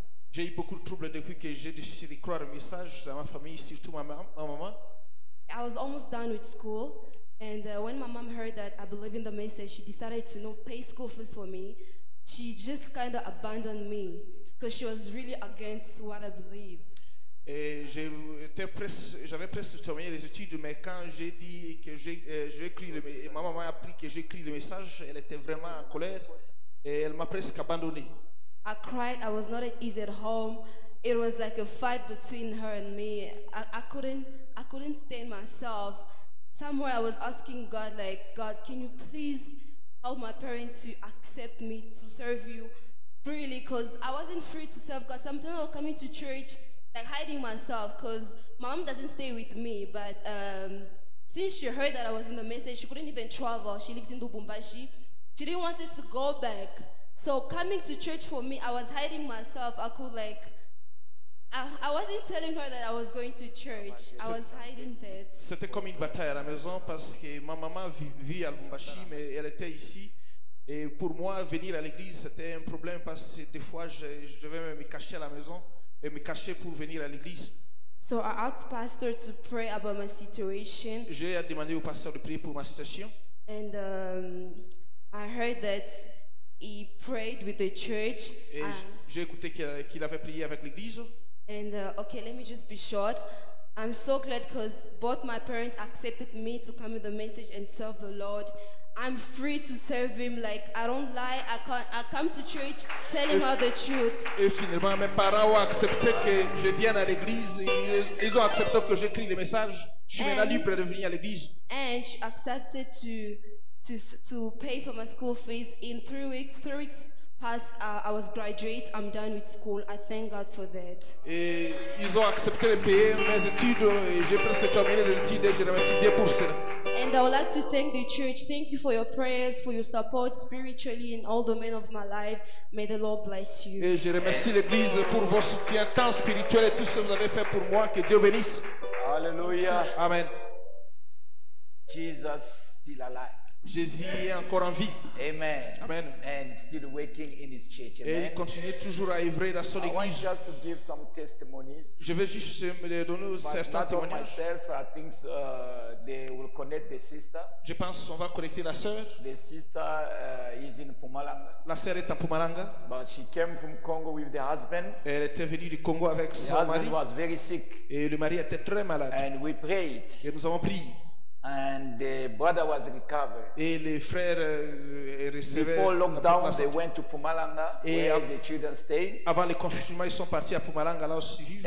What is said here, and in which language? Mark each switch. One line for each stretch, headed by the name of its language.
French: J'ai eu beaucoup de troubles depuis que j'ai décidé de croire le message dans ma famille, surtout ma maman.
English: I was almost done with school, and when my mom heard that I believe in the message, she decided to not pay school fees for me. She just kind of abandoned me because she was really against what I believe.
French: J'avais presque terminé les études, mais quand j'ai dit que ma maman a appris que j'écris le message, elle était vraiment en colère et elle m'a presque abandonné.
English: I cried. I was not at ease at home. It was like a fight between her and me. I couldn't stand myself. Somewhere I was asking God, like, God, can you please help my parents to accept me to serve you freely? Because I wasn't free to serve God. Sometimes I was coming to church, like hiding myself, because mom doesn't stay with me. But since she heard that I was in the message, she couldn't even travel. She lives in Lubumbashi. She didn't want it to go back. So coming to church for me, I was hiding myself. I wasn't telling her that I was going to church. I was hiding that.
French: C'était comme une bataille à la maison parce que ma maman vit à Lubumbashi, mais elle était ici. Et pour moi, venir à l'église, c'était un problème parce que des fois, je devais me cacher à la maison et me cacher pour venir à l'église.
English: So I asked pastor to pray about my situation.
French: J'ai demandé au pasteur de prier pour ma situation.
English: And I heard that he prayed with the church.
French: J'ai écouté qu'il avait prié avec l'église.
English: And okay, let me just be short. I'm so glad because both my parents accepted me to come with the message and serve the Lord. I'm free to serve Him. Like, I don't lie. I come to church, tell Him all the truth.
French: Et finalement, mes parents ont accepté que je vienne à l'église. Ils ont accepté que j'écris les messages. Je suis maintenant libre de venir à l'église.
English: And she accepted to pay for my school fees in 3 weeks. 3 weeks passed. I was graduate. I'm done with school. I thank God for that.
French: Et ils ont accepté de payer mes études. Et j'ai presque terminé les études. Et je remercie Dieu pour cela.
English: And I would like to thank the church. Thank you for your prayers, for your support spiritually in all domains of my life. May the Lord bless you.
French: Et je remercie l'église pour vos soutiens tant spirituels et tout ce que vous avez fait pour moi. Que Dieu bénisse. Alléluia. Amen.
English: Jesus still alive.
French: Jésus est encore en vie. Amen. Amen.
English: And still working in his church. Amen.
French: Et il continue toujours à œuvrer dans son église.
English: I want just to give some testimonies.
French: Je vais juste me donner certains témoignages.
English: Myself, I think they will connect the sister.
French: Je pense qu'on va connecter la sœur.
English: The sister is in Mpumalanga.
French: La sœur est à Mpumalanga.
English: But she came from Congo with the husband.
French: Elle était venue du Congo avec
English: the
French: son
English: husband Was very sick.
French: Et le mari était très malade.
English: And we prayed.
French: Et nous avons prié.
English: And the brother was recovered.
French: Et les frères recevaient.
English: Before lockdown, they went to Mpumalanga where the children stayed.
French: Avant le confinement, ils sont partis à Mpumalanga là où ils vivent.